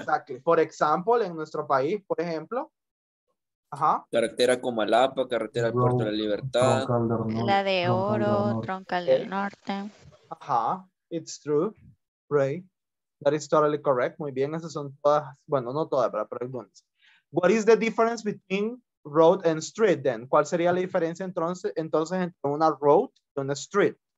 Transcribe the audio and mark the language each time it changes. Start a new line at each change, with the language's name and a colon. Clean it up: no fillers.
English: Exactly. For example,
Spanish: en nuestro país, por ejemplo. Ajá. Carretera Comalapa, carretera al Puerto de la Libertad, la de Oro, Troncal del Norte.
English: Ajá, it's true, right? That is totally correct.
Spanish: Muy bien, esas son todas, bueno, no todas, pero algunas.
English: What is the difference between road and street then?
Spanish: ¿Cuál sería la diferencia entonces entre una road y una street?